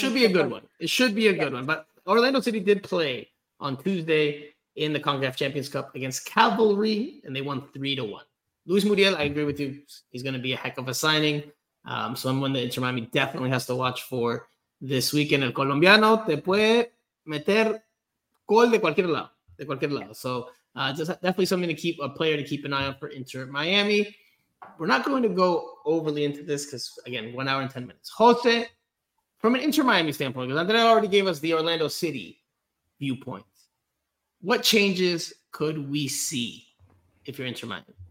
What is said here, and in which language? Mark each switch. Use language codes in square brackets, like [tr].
[en] It should be a good one. But Orlando City did play on Tuesday in the CONCACAF Champions Cup against Cavalry, and they won 3-1. Luis Muriel, I agree with you. He's going to be a heck of a signing. Someone that Inter Miami definitely has to watch for this weekend. [es] El Colombiano te puede meter gol de cualquier lado. [en] So definitely something to keep a player to keep an eye on for Inter Miami. We're not going to go overly into this because, again, 1 hour and 10 minutes. Jose, from an Inter-Miami standpoint, because Andrea already gave us the Orlando City viewpoint, what changes could we see if you're Inter-Miami?